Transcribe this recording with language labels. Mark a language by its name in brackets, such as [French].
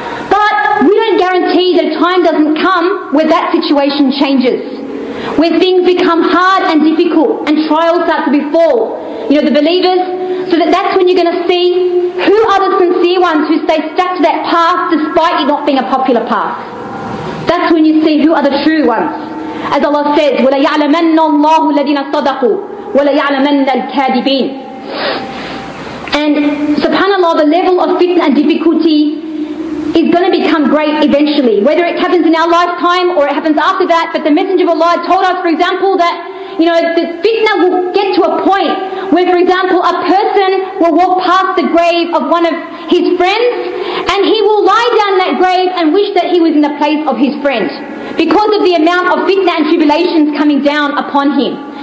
[English] But we don't guarantee that time doesn't come where that situation changes, where things become hard and difficult and trials start to befall, you know, the believers. So that's when you're going to see who are the sincere ones who stay stuck to that path despite it not being a popular path. That's when you see who are the true ones. As Allah says, [Arabic] وَلَيَعْلَمَنَّ اللَّهُ الَّذِينَ صَدَقُوا وَلَيَعْلَمَنَّ الْكَادِبِينَ. [English] And subhanAllah, the level of fitna and difficulty is going to become great eventually, whether it happens in our lifetime or it happens after that. But the Messenger of Allah told us, for example, that, you know, the fitna will get to a point where, for example, a person will walk past the grave of one of his friends and he will lie down in that grave and wish that he was in the place of his friend because of the amount of fitna and tribulations coming down upon him.